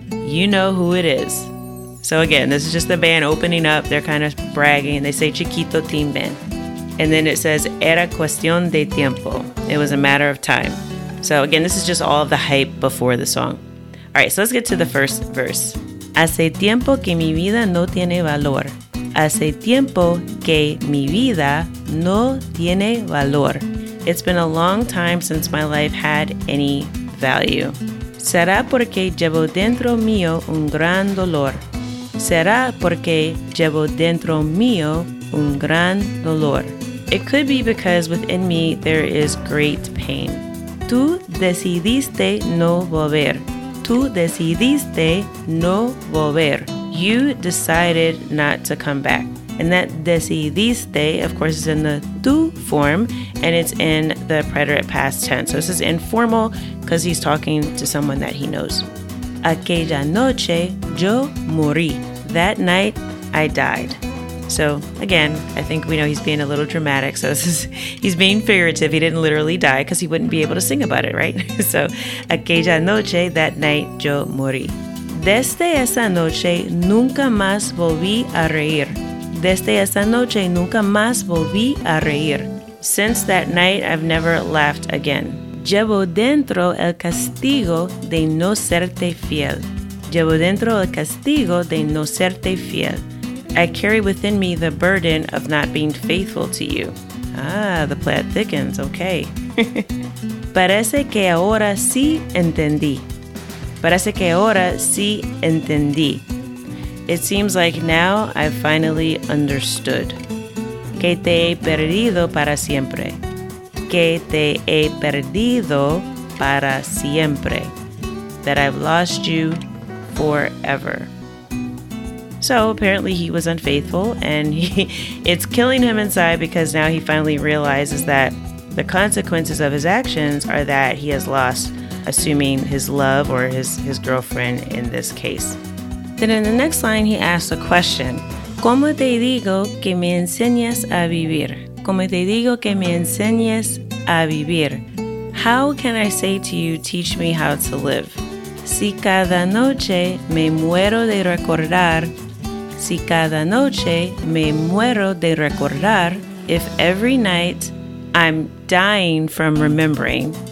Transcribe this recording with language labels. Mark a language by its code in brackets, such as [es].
[en] You know who it is. So again, this is just the band opening up. They're kind of bragging. They say Chiquito Team Band. And then it says, [es] era cuestión de tiempo. [en] It was a matter of time. So again, this is just all of the hype before the song. All right, so let's get to the first verse. [es] Hace tiempo que mi vida no tiene valor. Hace tiempo que mi vida no tiene valor. [en] It's been a long time since my life had any value. [es] Será porque llevo dentro mío un gran dolor. Será porque llevo dentro mío un gran dolor. [en] It could be because within me there is great pain. [es] Tú decidiste no volver. Tú decidiste no volver. [en] You decided not to come back. And that decidiste, of course, is in the tú form, and it's in the preterite past tense. So this is informal because he's talking to someone that he knows. [es] Aquella noche yo morí. [en] That night I died. So again, I think we know he's being a little dramatic. So this is, he's being figurative. He didn't literally die because he wouldn't be able to sing about it, right? So [es] aquella noche, [en] that night, [es] yo morí. Desde esa noche, nunca más volví a reír. Desde esa noche, nunca más volví a reír. [en] Since that night, I've never laughed again. [es] Llevo dentro el castigo de no serte fiel. Llevo dentro el castigo de no serte fiel. [en] I carry within me the burden of not being faithful to you. Ah, the plot thickens, okay. [es] Parece que ahora sí entendí. Parece que ahora sí entendí. [en] It seems like now I finally understood. [es] Que te he perdido para siempre. Que te he perdido para siempre. [en] That I've lost you forever. So apparently he was unfaithful and it's killing him inside because now he finally realizes that the consequences of his actions are that he has lost, assuming his love or his girlfriend in this case. Then in the next line, he asks a question. [es] ¿Cómo te digo que me enseñas a vivir? ¿Cómo te digo que me enseñas a vivir? [en] How can I say to you, teach me how to live? [es] Si cada noche me muero de recordar, si cada noche me muero de recordar, [en] if every night I'm dying from remembering.